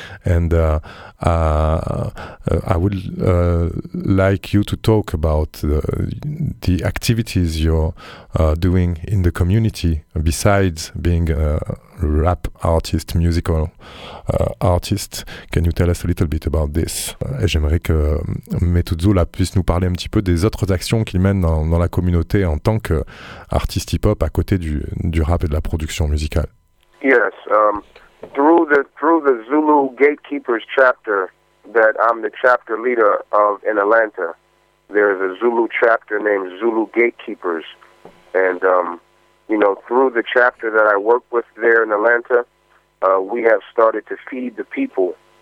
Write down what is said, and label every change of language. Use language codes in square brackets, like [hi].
[en] And I would like you to talk about the activities you're doing in the community besides being a rap artist, musical artist. Can you tell us a little bit about this? [fr] Et j'aimerais que Metu Zula puisse nous parler un petit peu des autres actions qu'il mène dans la communauté en tant qu'artiste hip-hop à côté du rap et de la production musicale. [en] Yes, through the Zulu Gatekeepers chapter that I'm the chapter leader of in Atlanta, there is a Zulu chapter named Zulu Gatekeepers, and you know, through the chapter that I work with there in Atlanta, we have started to feed the people.